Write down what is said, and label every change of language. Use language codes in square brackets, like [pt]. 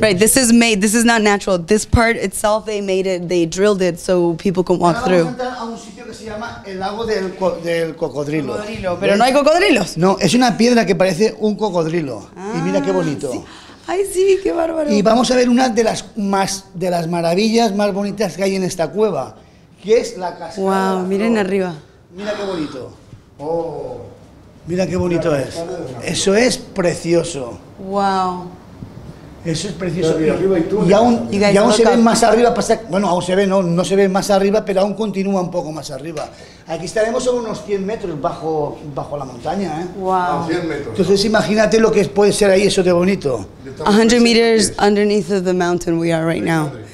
[en] Right, this is made, this is not natural. This part itself, they made it, they drilled it so people can walk through. [es] Ahora vamos a entrar a un sitio que se llama el lago del cocodrilo. Cocodrilo, pero no hay cocodrilos. No, es una piedra que parece un cocodrilo. Ah, y mira qué bonito. Sí. Ay, sí, qué bárbaro. Y vamos a ver una de las más de las maravillas más bonitas que hay en esta cueva, que es la cascada. Wow, miren arriba. Mira qué bonito. Oh. Mira qué bonito es. Eso es precioso. Wow. Eso es precioso. Y aún se ven más arriba. Bueno, aún se ve, no se ve más arriba, pero aún continúa un poco más arriba. Aquí estaremos a unos 100 metros bajo la montaña, ¿eh? Wow. A 100 metros. Entonces, ¿no? Imagínate lo que puede ser ahí eso de bonito. [en] 100 meters underneath of the mountain we are right now.